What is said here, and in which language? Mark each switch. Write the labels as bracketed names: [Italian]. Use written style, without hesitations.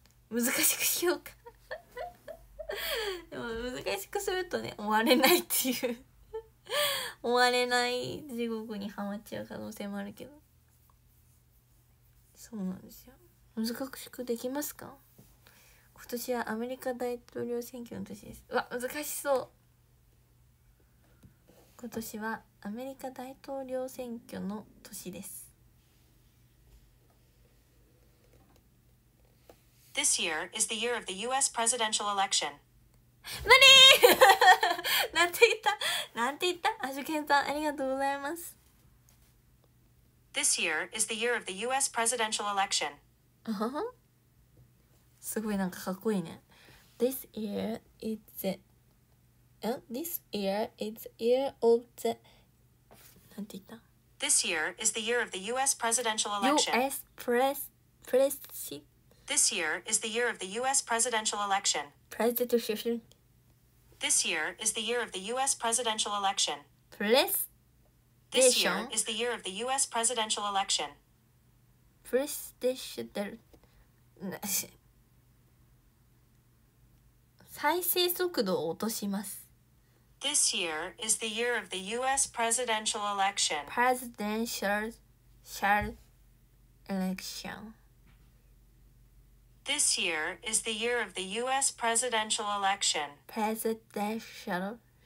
[Japanese] 難しくしようか。でも難しくするとね、終われないっていう終われない地獄にはまっちゃう可能性もあるけど、そうなんですよ。難しくできますか。今年はアメリカ大統領選挙の年です。うわ、難しそう。今年はアメリカ大統領選挙の年です。 [English] This year is the year of the U.S. presidential election. [Japanese] 無理。なんて言った？なんて言った？アジュケンさん、ありがとうございます。 [English] This year is the year of the U.S. presidential election. [Japanese] すごいなんかかっこいいね。 [English] This year is the... This year is the year of the... [Japanese] なんて言った？ [English] This year is the year of the U.S. presidential election. U.S. presidential... This year is the year of the U.S. presidential election. Presidential. This year is the year of the U.S. presidential election. Press. This year is the year of the U.S. presidential election. Presidential. [Japanese] 再生速度を落とします。 [English] This year is the year of the US presidential election. Presidential election. This year is the year of the US presidential election. Presidential.